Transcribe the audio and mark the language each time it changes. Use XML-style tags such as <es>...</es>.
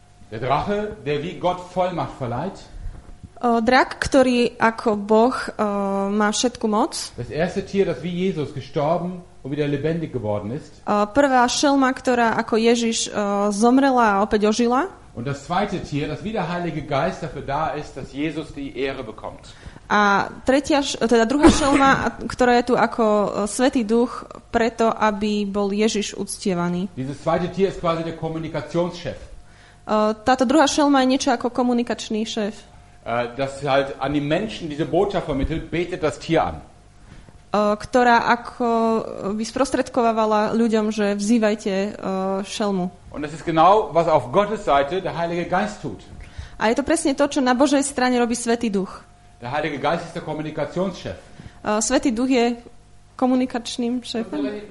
<de>Der Drache, der wie Gott Vollmacht verleiht.</de> <sk>Drak, ktorý ako Boh má všetku moc.</sk> <de>Das erste Tier, das wie Jesus gestorben und wieder lebendig geworden ist.</de> <sk>Prvá šelma, ktorá ako Ježiš zomrela a opäť ožila.</sk> <de>Und das zweite Tier, das wie der Heilige Geist dafür da ist, dass Jesus die Ehre bekommt.</de> <sk>A tretia, teda druhá šelma, ktorá je tu ako Svätý Duch, preto aby bol Ježiš uctievaný.</sk> <de>Dieses zweite Tier ist quasi der Kommunikationschef.</de> <sk>Táto druhá šelma je niečo ako komunikačný šéf.</sk> <de>Das halt an die Menschen diese Botschaft vermittelt, betet das Tier an.</de> <sk>Ktorá ako by sprostredkovávala ľuďom, že vzývajte šelmu.</sk> <de>Und es ist genau, was auf Gottes Seite der Heilige Geist tut.</de> <sk>A je to presne to, čo na Božej strane robí Svätý Duch.</sk> <de>Der Heilige Geist ist der Kommunikationschef.</de> <sk>Svätý Duch je komunikačným šéfom.</sk>